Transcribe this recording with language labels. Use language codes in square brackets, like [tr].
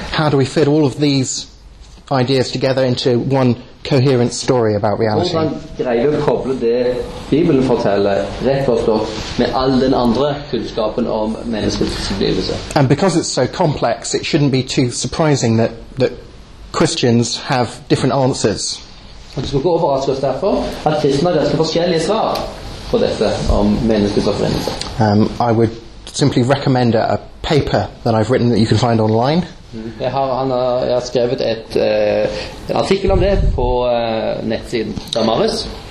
[en] How do we fit all of these ideas together into one coherent story about reality? [no] Hvordan greier vi å koble det Bibelen forteller rett forstått med all den andre kunnskapen om menneskets opplevelse? [en] And because it's so complex, it shouldn't be too surprising that Christians have different answers. [no] Det skal ikke overraske oss derfor at kristne har ganske forskjellige svar på dette om menneskets opprinnelse. [en] I would simply recommend a paper that I've written that you can find online. [no] Jeg har skrevet et artikkel om det på nettsiden Damaris.